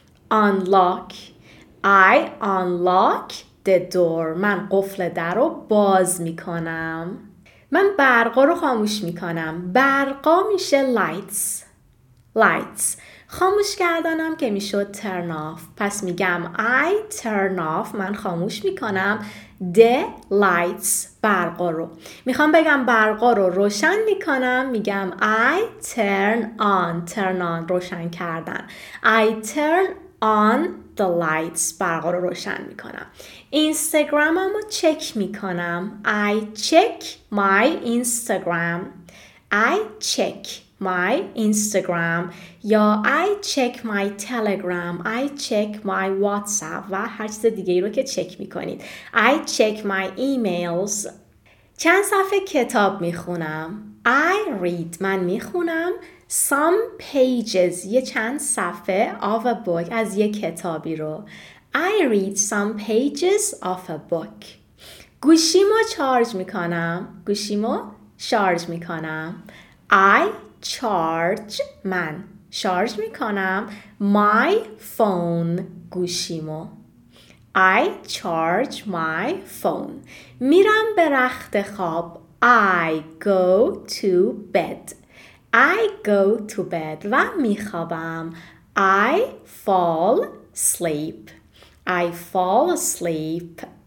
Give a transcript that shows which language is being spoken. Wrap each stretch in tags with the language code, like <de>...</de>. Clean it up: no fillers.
<en>Unlock. I unlock the door.</en> <fa>من قفل درو باز میکنم. من برقا رو خاموش میکنم. برقا میشه lights.</fa> <en>Lights.</en> <fa>خاموش کردنم که میشد turn off. پس میگم</fa> <en>I turn off.</en> <fa>من خاموش میکنم</fa> <en>the lights.</en> <fa>برقا رو. میخوام بگم برقا رو روشن میکنم.</fa> <en>میگم I turn on. turn on.</en> <fa>روشن کردن.</fa> <en>I turn on the lights.</en> <fa>برقا رو روشن میکنم. اینستاگرامم رو چک میکنم.</fa> <en>I check my Instagram. I check my Instagram یا I check my Telegram. I check my WhatsApp</en> <fa>و هر چیز دیگه رو که چک میکنید.</fa> <en>I check my emails.</en> <fa>چند صفحه کتاب میخونم.</fa> <en>I read.</en> <fa>من میخونم</fa> <en>some pages</en> <fa>یه چند صفحه</fa> <en>of a book</en> <fa>از یه کتابی رو.</fa> <en>I read some pages of a book.</en> <fa>گوشیمو چارج میکنم. گوشیمو شارژ میکنم.</fa> <en>I charge.</en> <fa>من شارژ میکنم</fa> <en>my phone.</en> <fa>گوشیمو.</fa> <en>I charge my phone.</en> <fa>میرم به رخت خواب.</fa> <en>I go to bed. I go to bed</en> <fa>و میخوابم.</fa> <en>I fall asleep. I fall asleep.</en>